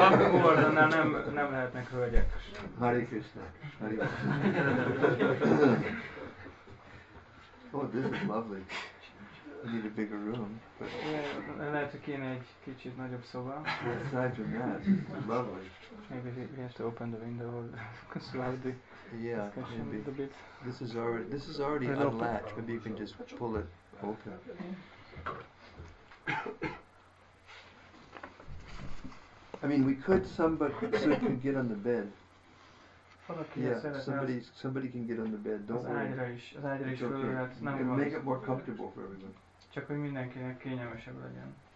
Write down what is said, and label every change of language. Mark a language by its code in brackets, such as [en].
[hu] Govardhannál nem lehetnek hölgyek. [en] Hare Krishna. Hare Krishna. Oh, this is lovely. I need a bigger room. [hu] Lehet, hogy kéne egy kicsit nagyobb szoba. [en] Aside from that, lovely. Maybe we have to open the window or slide the discussion a bit. This is already unlatched. Maybe you can just pull it open. I mean, we could somebody can get on the bed. Yeah, somebody can get on the bed. Don't worry. [hu] Az ágyra is okay. [en] You can make it more comfortable for everyone. [hu] Csak hogy mindenkinek kényelmesebb legyen.